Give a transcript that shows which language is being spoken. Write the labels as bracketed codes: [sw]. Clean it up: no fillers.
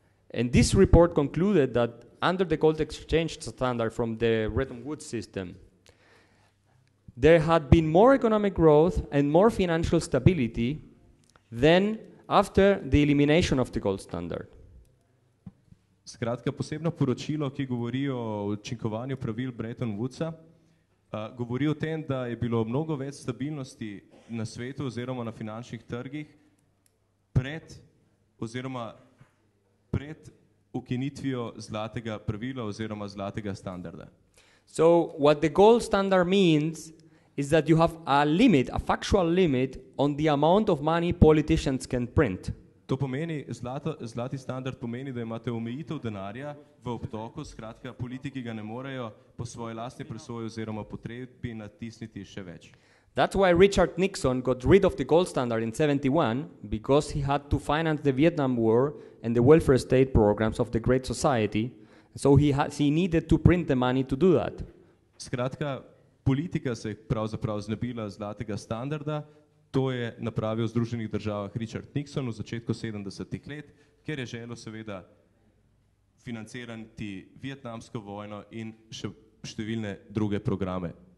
[en] And this report concluded that under the gold exchange standard from the Bretton Woods system, there had been more economic growth and more financial stability than after the elimination of the gold standard. [sl] Skratka, posebno poročilo, ki govori o učinkovanju pravil Bretton Woodsa, govori o tem, da je bilo mnogo več stabilnosti na svetu oziroma na finančnih trgih pred oziroma pred ukinitvijo zlatega pravila oziroma zlatega standarda. [en] So what the gold standard means is that you have a limit, a factual limit on the amount of money politicians can print. [sl] To pomeni, zlati standard pomeni, da imate omejitev denarja v obtoku, skratka, politiki ga ne morejo po svoji lastni presoji oziroma potrebi natisniti še več. [en] That's why Richard Nixon got rid of the gold standard in 71, because he had to finance the Vietnam War and the welfare state programs of the Great Society, so he needed to print the money to do that. [sl] Skratka, politika se je pravzaprav znebila zlatega standarda. To je napravil v Združenih državah Richard Nixon v začetku 70-ih let, ker je želel seveda financirati vietnamsko vojno in še številne druge programe.